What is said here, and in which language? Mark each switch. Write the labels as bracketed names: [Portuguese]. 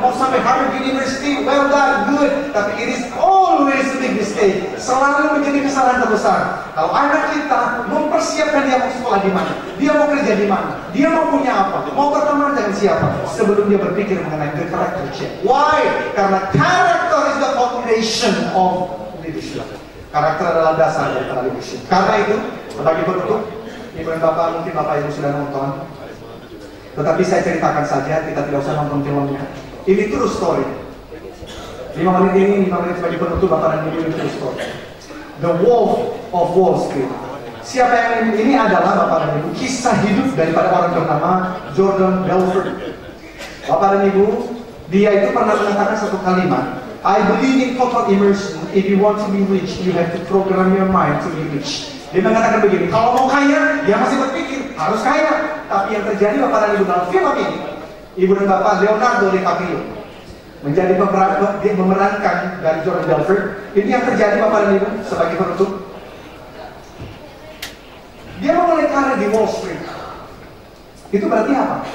[English] Mau sampai Harvard University, well done, good. Tapi it is always a big mistake. [Indonesian] Selalu menjadi kesalahan terbesar. Kalau anak kita mempersiapkan dia mau sekolah di mana, dia mau kerja di mana, dia mau punya apa, mau berteman dengan siapa, sebelum dia berpikir mengenai the character check. Why? Karena character is the foundation of karakter adalah dasar dari leadership. Karena itu, sebagai penutup, Ibu dan Bapak, mungkin Bapak Ibu sudah nonton, tetapi saya ceritakan saja, kita tidak usah nonton filmnya. Ini true story. 5 menit ini, 5 menit sebagai penutup, Bapak dan Ibu, ini true story. The Wolf of Wall Street. Siapa yang ini adalah, Bapak dan Ibu, kisah hidup daripada orang bernama Jordan Belfort. Bapak dan Ibu, dia itu pernah mengatakan satu kalimat, I believe in total immersion. [English] If you want to be rich, you have to program your mind to be rich. [Indonesian] Dia mengatakan begini, kalau mau kaya, dia masih berpikir, harus kaya. Tapi yang terjadi, Bapak dan Ibu, dalam film ini, Ibu dan Bapak, Leonardo DiCaprio, menjadi memerankan dari Jordan Belfort. Ini yang terjadi, Bapak dan Ibu, sebagai penutup. Dia memulai karir di Wall Street. Itu berarti apa?